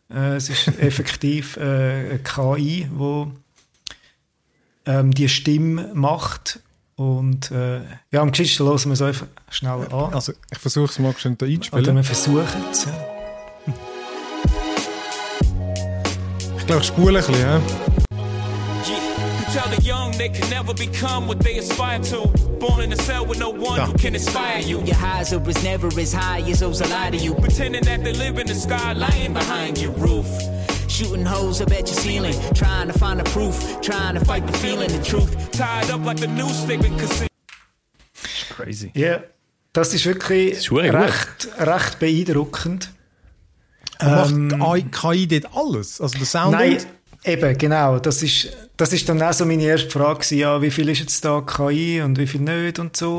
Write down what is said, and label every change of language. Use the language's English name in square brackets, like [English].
[German] Es ist effektiv eine KI, die die Stimme macht. Und ja, am Geschichte hören wir es einfach schnell an. Also ich versuche es mal schön da einzuspielen. Oder wir versuchen es. Ich glaube, ich spule ein bisschen. [English] Tell the young they can never become what they aspire to. Born in a cell with no one who can inspire you. Your highs are was never as high as those lie to you. Pretending that they live in the sky, lying behind your roof. Shooting holes up at your ceiling, trying to find the proof, trying to fight the feeling, the truth. Tied up like the news they've been crazy. [German] Yeah, das ist wirklich recht beeindruckend. Macht KI dort alles? Also der Sound? Nein, eben, genau. Das ist dann auch so meine erste Frage gewesen, ja, wie viel ist jetzt da KI und wie viel nicht und so.